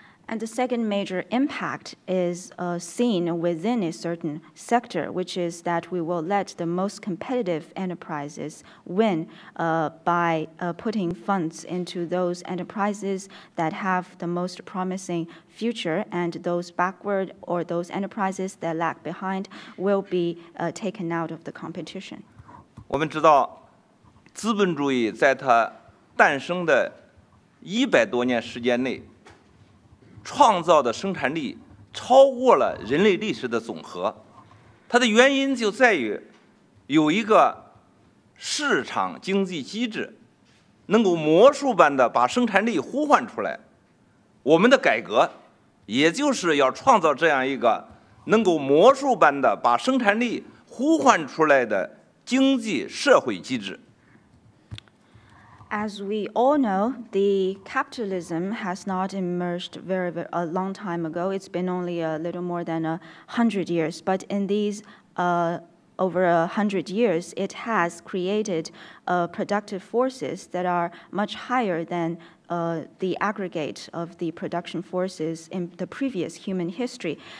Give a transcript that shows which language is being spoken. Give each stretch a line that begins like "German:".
English: And the second major impact is seen within a certain sector, which is that we will let the most competitive enterprises win by putting funds into those enterprises that have the most promising future, and those backward or those enterprises that lag behind will be taken out of the competition.
Chinese: 我们知道，资本主义在它诞生的100多年时间内创造的生产力超过了人类历史的总和，它的原因就在于有一个市场经济机制能够魔术般的把生产力呼唤出来。我们的改革也就是要创造这样一个能够魔术般的把生产力呼唤出来的经济社会机制。
English: As we all know, the capitalism has not emerged very, very a long time ago. It's been only a little more than 100 years. But in these over 100 years, it has created productive forces that are much higher than the aggregate of the production forces in the previous human history.